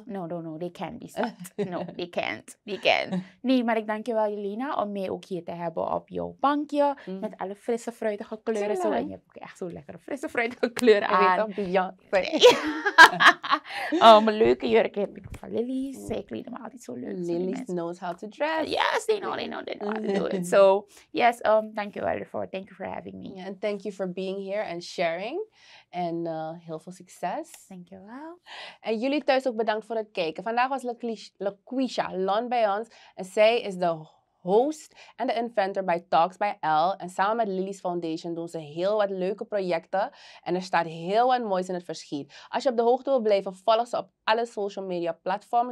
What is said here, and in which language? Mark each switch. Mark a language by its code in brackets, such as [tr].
[en] No, they can't be stopped. No, they can't. [nl] Nee, maar ik dank je wel, Jelena, om mee ook hier te hebben op jouw bankje. Mm. Met alle frisse, fruitige kleuren. Zo, en je hebt ook echt zo'n lekkere frisse, fruitige kleuren aan. Ik weet dat, Beyoncé. Mijn leuke jurk heb ik van Lily's. Mm. Zij kleden me altijd zo leuk. [en] Lily's knows how to dress. Yes, they know how to do it. So, yes, thank you [nl] wel ervoor. [en] Thank you for having me. Yeah, and thank you for being here and sharing. [nl] En heel veel succes. Dankjewel. En jullie thuis ook bedankt voor het kijken. Vandaag was Laquisha Lont bij ons. En zij is de host en de inventor bij Talks by Elle. En samen met Lily's Foundation doen ze heel wat leuke projecten. En er staat heel wat moois in het verschiet. Als je op de hoogte wil blijven, volg ze op alle social media platforms.